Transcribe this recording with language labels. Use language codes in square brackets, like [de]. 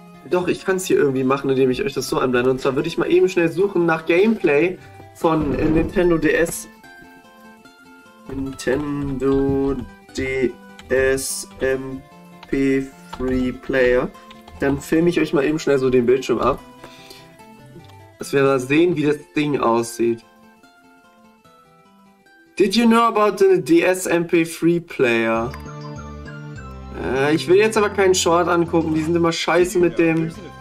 [de] Doch, ich kann es hier irgendwie machen, indem ich euch das so einblende. Und zwar würde ich mal eben schnell suchen nach Gameplay von Nintendo DS. Nintendo DS MP3 Player. Dann filme ich euch mal eben schnell so den Bildschirm ab. Dass wir mal sehen, wie das Ding aussieht. [en] Did you know about the DS MP3 Player? [de] Ich will jetzt aber keinen Short angucken. Die sind immer scheiße mit dem.